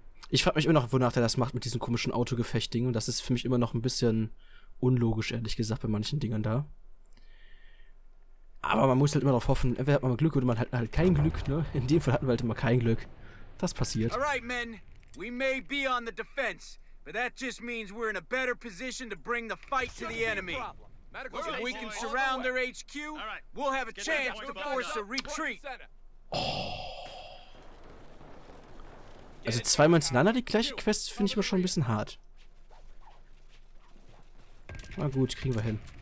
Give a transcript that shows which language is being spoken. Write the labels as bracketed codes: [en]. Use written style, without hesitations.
[de] Ich frage mich immer noch, wonach der das macht mit diesem komischen Autogefecht-Ding. Und das ist für mich immer noch ein bisschen unlogisch, ehrlich gesagt, bei manchen Dingen da. Aber man muss halt immer darauf hoffen, entweder hat man mal Glück oder man hat halt kein Glück, ne? In dem Fall hatten wir halt immer kein Glück. Das passiert. [en] Alright, men. We may be on the defense, but that just means we're in a better position to bring the fight to the enemy. If we can surround their HQ, we'll have a chance to force a retreat. [de] Also zweimal hintereinander die gleiche Quest finde ich aber schon ein bisschen hart. Na gut, kriegen wir hin.